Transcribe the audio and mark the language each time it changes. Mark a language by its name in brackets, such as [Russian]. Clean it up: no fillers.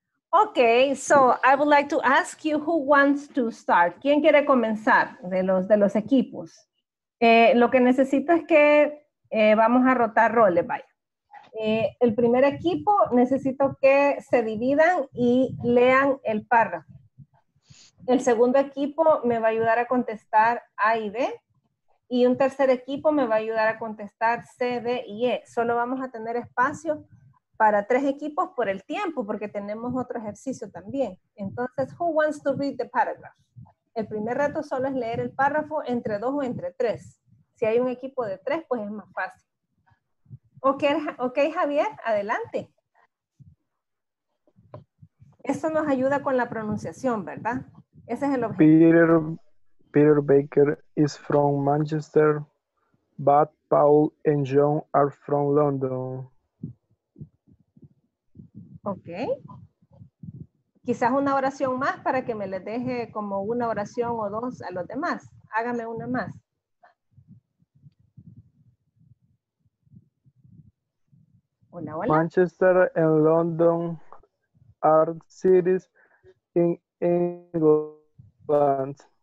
[English] Okay, so I would like to ask you who wants to start. [Spanish] ¿Quién quiere comenzar de los equipos? Lo que necesito es que vamos a rotar roles, vaya. El primer equipo necesito que se dividan y lean el párrafo. El segundo equipo me va a ayudar a contestar A y B. Y un tercer equipo me va a ayudar a contestar C, D y E. Solo vamos a tener espacio para tres equipos por el tiempo, porque tenemos otro ejercicio también. Entonces, [English] who wants to read the paragraph? [Spanish] El primer reto solo es leer el párrafo entre dos o entre tres. Si hay un equipo de tres, pues es más fácil. Okay, Javier, adelante. Esto nos ayuda con la pronunciación, ¿verdad? Ese es el objetivo. [English] Peter Baker is from Manchester, but Paul and John are from London. Okay. [Spanish] Quizás una oración más para que me les deje como una oración o dos a los demás. Hágame una más. Hola, hola. [English] Manchester and London are cities in England.